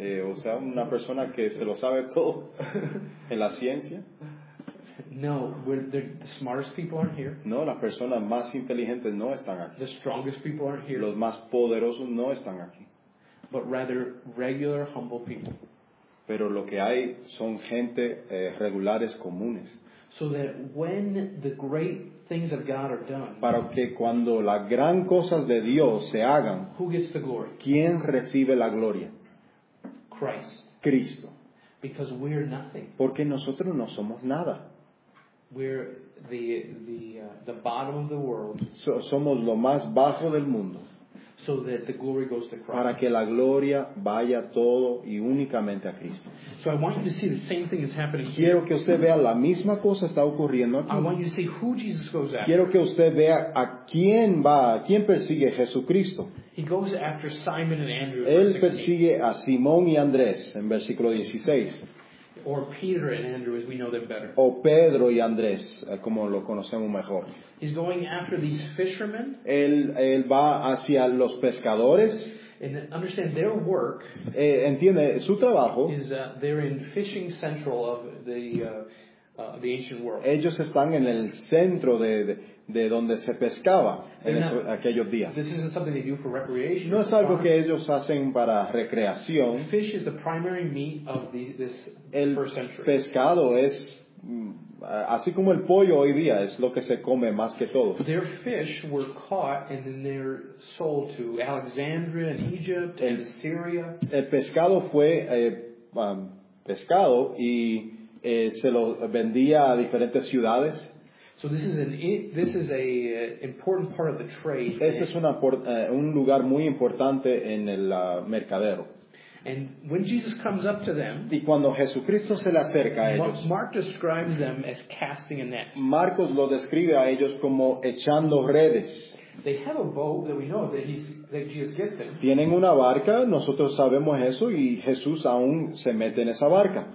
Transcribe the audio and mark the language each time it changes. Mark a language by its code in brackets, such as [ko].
[es] O sea, una persona que se lo sabe todo en la ciencia. [en] No, the smartest people aren't here. [es] No, las personas más inteligentes no están aquí. [en] The strongest people aren't here. [es] Los más poderosos no están aquí. [en] But rather regular, humble people. [es] Pero lo que hay son gente regulares, comunes. [en] So that when the great things of God are done, [es] para que cuando las gran cosas de Dios se hagan, [en] who gets the glory? [es] ¿Quién recibe la gloria? [en] Christ. [es] Cristo. [en] Because we're nothing. [es] Porque nosotros no somos nada. [en] We're the bottom of the world. [es] Somos lo más bajo del mundo. [en] So that the glory goes to Christ. [es] Para que la gloria vaya todo y únicamente a Cristo. [en] So I want you to see the same thing is happening here. [es] Quiero que usted vea la misma cosa está ocurriendo aquí. [en] I want you to see who Jesus goes after. [es] Quiero que usted vea a quién va, a quién persigue Jesucristo. [en] He goes after Simon and Andrew. [es] Él persigue a Simón y Andrés en versículo 16. [en] Or Peter and Andrew, as we know them better. [es] O Pedro y Andrés, como lo conocemos mejor. [en] He's going after these fishermen. [es] Él va hacia los pescadores. [en] And understand their work. [es] Entiende su trabajo. [en] Is they're in fishing central of the ancient world. [es] Ellos están en el centro de donde se pescaba en aquellos días. [en] This isn't something they do for recreation. [es] No es algo que ellos hacen para recreación. [en] Fish is the primary meat of this first century. [es] El pescado es así como el pollo hoy día es lo que se come más que todo. [en] Their fish were caught and then they're sold to Alexandria and Egypt and Assyria. [es] El pescado fue pescado y se lo vendía a diferentes ciudades. [en] So this is a important part of the trade. [es] Ese es un lugar muy importante en el mercadero. [en] And when Jesus comes up to them, [es] y cuando Jesucristo se le acerca a ellos, [en] Mark describes them as casting a net. [es] Marcos lo describe a ellos como echando redes. [en] They have a boat that we know that Jesus gets them. [es] Tienen una barca, nosotros sabemos eso, y Jesús aún se mete en esa barca.